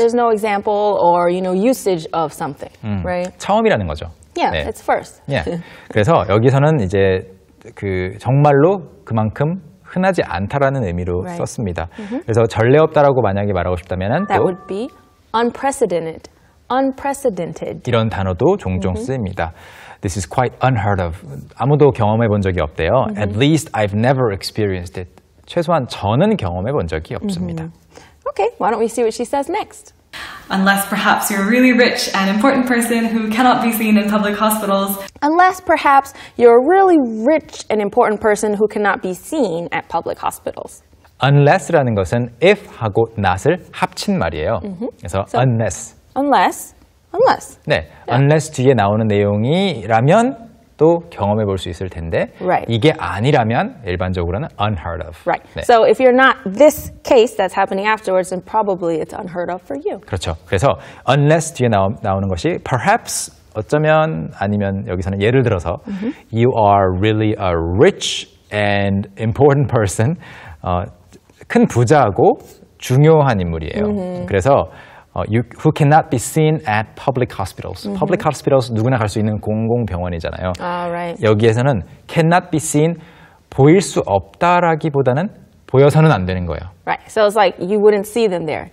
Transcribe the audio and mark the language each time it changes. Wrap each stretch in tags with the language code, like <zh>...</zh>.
<en>There's no example or you know usage of something, right?</en> <ko>처음이라는 거죠.</ko> <en>Yeah, 네. it's first. Yeah.</en> <ko>그래서 여기서는 이제 그 정말로 그만큼 흔하지 않다라는 의미로</ko> <en>right.</en> <ko>썼습니다. Mm-hmm. 그래서 전례 없다라고 만약에 말하고 싶다면은</ko> <en>that would be unprecedented, unprecedented.</en> <ko>이런 단어도 종종 쓰입니다.</ko> <en>This is quite unheard of.</en> <ko>아무도 경험해 본 적이 없대요.</ko> <en>Mm-hmm. At least I've never experienced it.</en> <ko>최소한 저는 경험해 본 적이 없습니다.</ko> <en>Mm-hmm. Okay, why don't we see what she says next? Unless perhaps you're a really rich and important person who cannot be seen in public hospitals. Unless perhaps you're a really rich and important person who cannot be seen at public hospitals.</en> <ko>Unless라는 것은 if하고 not을 합친 말이에요.</ko> <en>Mm-hmm.</en> <ko>그래서 so, unless.</ko> <en>Unless. Unless.</en> <ko>네, yeah. unless 뒤에 나오는 내용이라면 또 경험해 볼 수 있을 텐데</ko> <en>right.</en> <ko>이게 아니라면 일반적으로는 unheard of.</ko> <en>Right. 네. So if you're not this case that's happening afterwards, then probably it's unheard of for you.</en> <ko>그렇죠. 그래서 unless 뒤에 나오는 것이 perhaps 어쩌면 아니면 여기서는 예를 들어서</ko> <en>mm-hmm. you are really a rich and important person.</en> <ko>큰 부자고 중요한 인물이에요.</ko> <en>Mm-hmm.</en> <ko>그래서</ko> <en>you who cannot be seen at public hospitals. Mm-hmm.</en> <ko>Public hospitals 누구나 갈 수 있는 공공 병원이잖아요.</ko> <en>Oh, right.</en> <ko>여기에서는 cannot be seen 보일 수 없다라기보다는 보여서는 안 되는 거예요.</ko> <en>Right. So it's like you wouldn't see them there.</en>